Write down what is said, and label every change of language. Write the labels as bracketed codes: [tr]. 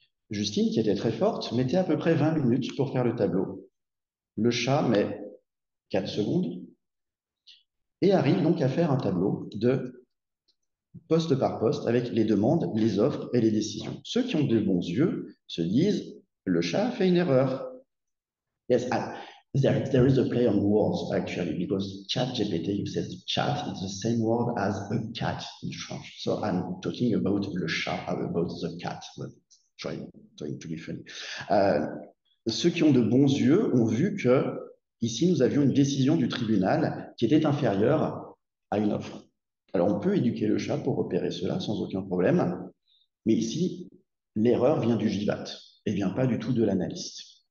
[fr] Justine, qui était très forte, mettait à peu près 20 minutes pour faire le tableau. Le chat met 4 secondes et arrive donc à faire un tableau de poste par poste avec les demandes, les offres et les décisions. Ceux qui ont de bons yeux se disent, le chat a fait une erreur. [en] Yes. Ah. There is a play on words, actually, because ChatGPT uses chat, it's the same word as a cat in French. So I'm talking about le chat, about the cat, but trying to be funny. [fr] Ceux qui ont de bons yeux ont vu que ici nous avions une décision du tribunal qui était inférieure à une offre. Alors on peut éduquer le chat pour repérer cela sans aucun problème, mais ici l'erreur vient du JVAT et vient pas du tout de l'analyste.